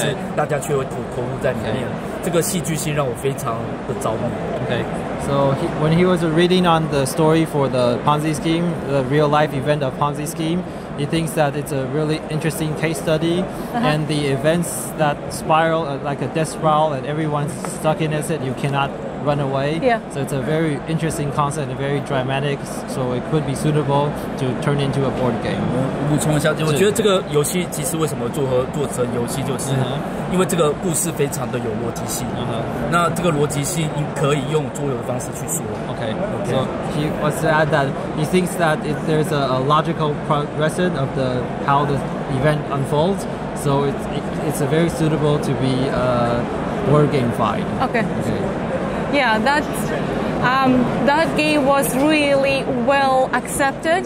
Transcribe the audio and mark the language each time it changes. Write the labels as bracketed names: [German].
[Chinese] 你是怎么想到要做庞氏骗局这种金融主题的东西？一开始被故事吸引，就是我觉得这故事很有趣，然后其实这故事很有逻辑性，就是它是一个，就是会引导大家导致那个无法救回的危机啊，就是那危机是无法逆转的危机，但是大家却会投入在里面。 [English] So when he was reading on the story for the Ponzi scheme, the real life event of Ponzi scheme, he thinks that it's a really interesting case study, and the events that spiral like a death spiral and everyone's stuck in it, you cannot run away. Yeah. So it's a very interesting concept, very dramatic, so it could be suitable to turn into a board game. [Chinese] 我补充一下，我觉得这个游戏其实为什么做成游戏，就是因为这个故事非常的有逻辑性。那这个逻辑性可以用桌游的方式去说。OK，OK。 [English] So he wants to add that he thinks that if there's a logical progression of the how the event unfolds, so it's very suitable to be word game fight. Okay. Yeah, that that game was really well accepted.